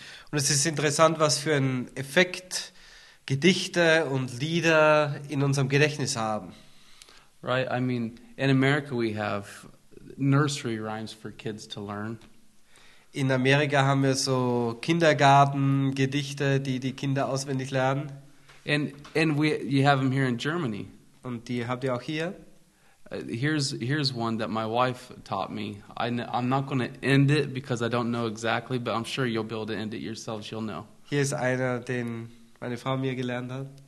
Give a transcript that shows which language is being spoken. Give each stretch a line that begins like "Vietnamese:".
German: Und es ist interessant, was für einen Effekt Gedichte und Lieder in unserem Gedächtnis haben.
English: Right, I mean, in America we have nursery rhymes for kids to learn.
German: In Amerika haben wir so Kindergartengedichte, die Kinder auswendig lernen.
English: And you have them here in Germany.
German: Und die habt ihr auch hier.
English: Here's one that my wife taught me. I'm not going to end it because I don't know exactly, but I'm sure you'll be able to end it yourselves. You'll know.
German: Hier ist einer, den meine Frau mir gelernt hat.